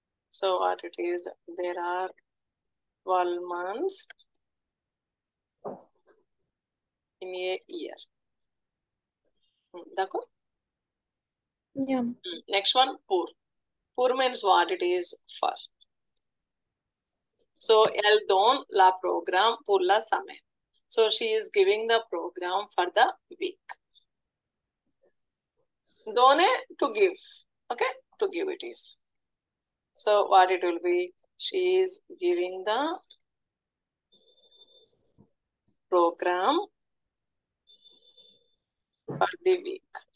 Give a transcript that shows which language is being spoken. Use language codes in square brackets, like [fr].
[en] So, what it is, there are 12 months in a year. [fr] D'accord? [en] Yeah. Next one, pour. Pour means what it is, for. So, [fr] elle donne la programme pour la semaine. [en] So, she is giving the program for the week. Donne, to give. Okay? To give it is. So, what it will be? She is giving the program for the week.